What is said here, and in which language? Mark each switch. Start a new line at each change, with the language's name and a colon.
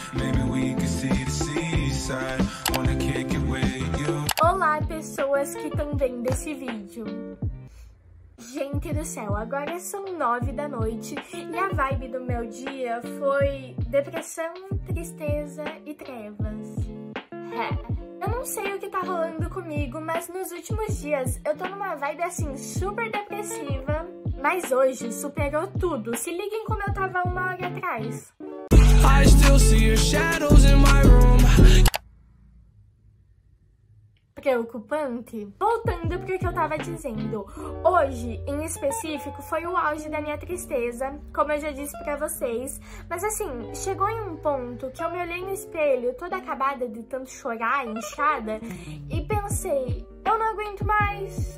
English: Maybe we can see the seaside. Wanna kick it with you.
Portuguese: Olá, pessoas que estão vendo esse vídeo. Gente do céu, agora são 9 da noite e a vibe do meu dia foi depressão, tristeza e trevas. Eu não sei o que tá rolando comigo, mas nos últimos dias eu tô numa vibe assim super depressiva. Mas hoje superou tudo, se liguem como eu tava uma hora atrás.
English: I still see your shadows in my room.
Portuguese: Preocupante? Voltando pro que eu tava dizendo, hoje em específico foi o auge da minha tristeza, como eu já disse pra vocês, mas assim, chegou em um ponto que eu me olhei no espelho toda acabada de tanto chorar, inchada, e pensei, eu não aguento mais.